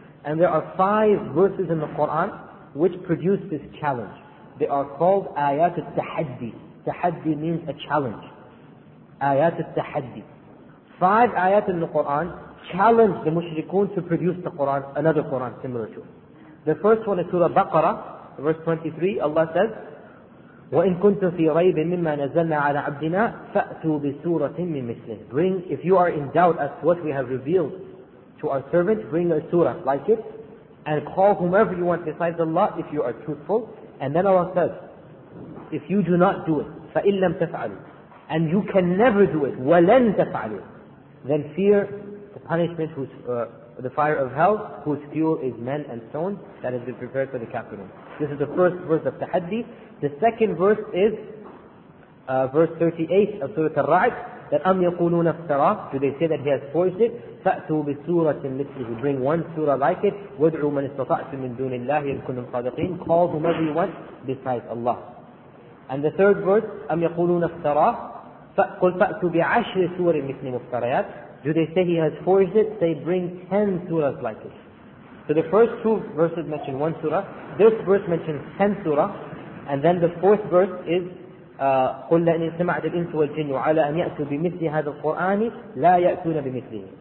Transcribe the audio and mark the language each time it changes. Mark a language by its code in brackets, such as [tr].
[en] And there are five verses in the Qur'an which produce this challenge. They are called ayat al-tahaddi. Tahaddi means a challenge. Ayat al-tahaddi. Five ayat in the Qur'an challenge the mushrikun to produce the Qur'an, another Qur'an similar to it. The first one is Surah Baqarah, verse 23. Allah says, [ar] وَإِن كُنْتُمْ فِي رَيْبٍ مِّمَّا نَزَلْنَا عَلَىٰ عَبْدِنَا فَأْتُوا بِسُورَةٍ مِّن مِثْلِهِ. [en] Bring, if you are in doubt as to what we have revealed to our servant, bring a surah like it, and call whomever you want besides Allah if you are truthful. And then Allah says, if you do not do it, [ar] فَإِن لَمْ تَفْعَلُوا, [en] and you can never do it, [ar] وَلَن تَفْعَلُوا, [en] then fear the punishment whose the fire of hell, whose fuel is men and stones, that has been prepared for the kafirun. This is the first verse of tahaddi. The second verse is verse 38 of Surah Al-Ra'd, that [ar] أَمْ يَقُولُونَ افْتَرَاهُ. [en] Do they say that he has forced it? [ar] فَأْتُوا بِسُورَةٍ مِثْلِهِ. [en] Bring one surah like it. [ar] وَدْعُوا مَنِ اسْتَطَعْتُمْ مِنْ دُونِ اللَّهِ إِن كُنْتُمْ صَادِقِينَ. [en] Call whomever you want besides Allah. [ar] And the third verse, أَمْ يَقُولُونَ افْتَرَاهُ. قُلْ فَأْتُوا بِعَشْرِ سُورٍ مِثْلِ مُفْتَرَيَاتٍ. [en] Do they say he has forged it? They bring 10 surahs like it. So the first two verses mention one surah, this verse mentions 10 surah, and then the fourth verse is [ar] قُلْ لَأَنِي سَمَعْتَ الْإِنْسُ وَالْجِنُّ عَلَىٰ أَنْ يَأْتُوا بِمِثْلِ هَذَا الْقُرْآنِ لَا يَأْتُونَ بِمِثْلِهِ.